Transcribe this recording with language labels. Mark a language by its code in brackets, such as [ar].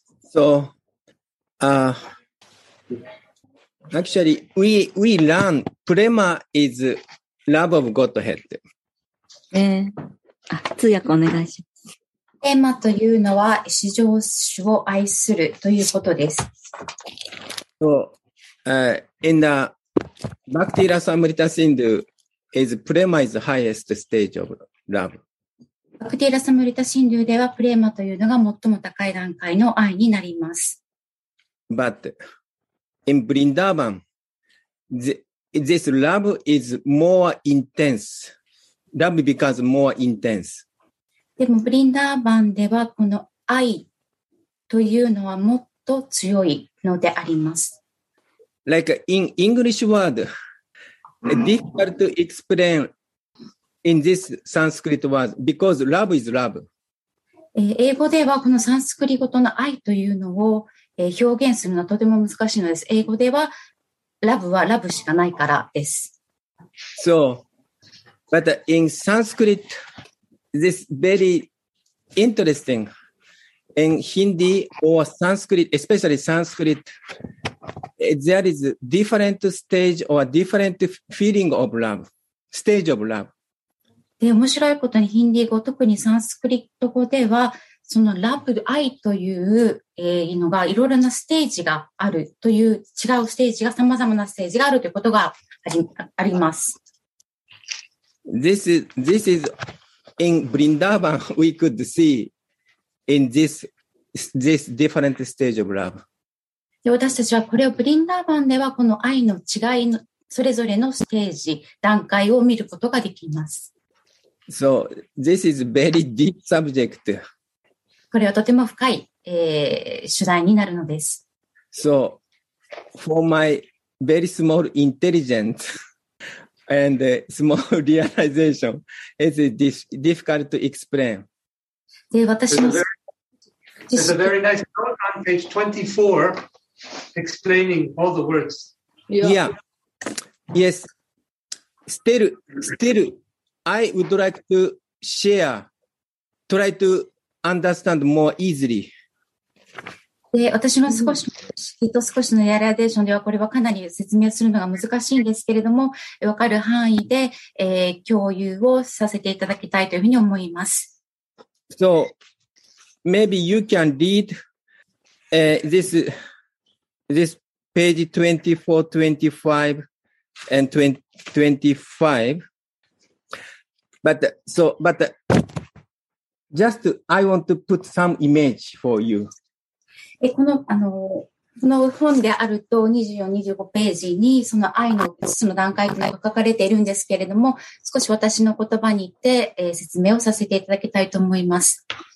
[en] So, actually, we learn prema is love of Godhead. [ja] 通訳お願いします。プレマというのは至上主を愛するということです。 [en] So,in the Bhakti Rasa Amrita Sindhu is prema is the highest stage of love. [ja] Bhakti Rasa Amrita Sindhu ではプレマというのが最も高い段階の愛になります。 [en] But in Vrindavan, this love is more intense. Love becomes more intense. [ja] でも Vrindavan ではこの愛というのはもっと強いのであります。 [en] Like in English word, difficult to explain in this Sanskrit word because love is love. [ja] 英語ではこのサンスクリットの愛というのを表現するのはとても難しいのです。英語ではラブはラブしかないからです。 [en] So, but in Sanskrit, this very interesting. In Hindi or Sanskrit, especially Sanskrit,There is a different stage or a different feeling of love, stage of love. [ja] で、面白いことにヒンディー語、特にサンスクリット語では、そのラブ、愛という、のがいろいろなステージがあるという、違うステージが、さまざまなステージがあるということがあります。 [en] This is in Vrindavan, we could see in this different stage of love. [ja] で私たちはこれをブリンダーバンではこの愛の違いのそれぞれのステージ段階を見ることができます。 [en] So this is very deep subject. [ja] これはとても深い、主題になるのです。 [en] So for my very small intelligence and small realization, it's difficult to explain. [ja] で私の [en] There's a very nice note on page 24 explaining all the words. Yeah. Yes. Still, I would like to share, try to understand more easily. [ja] で私の少しの知識と少しのエアラデーションではこれはかなり説明するのが難しいんですけれども分かる範囲で、共有をさせていただきたいというふうに思います。 [en] So maybe you can read、this page 24, 25 and 25 but just I want to put some image for you. [ja] この本であると24、25ページにその愛の5つの段階というのが書かれているんですけれども少し私の言葉に言って、説明をさせていただきたいと思います。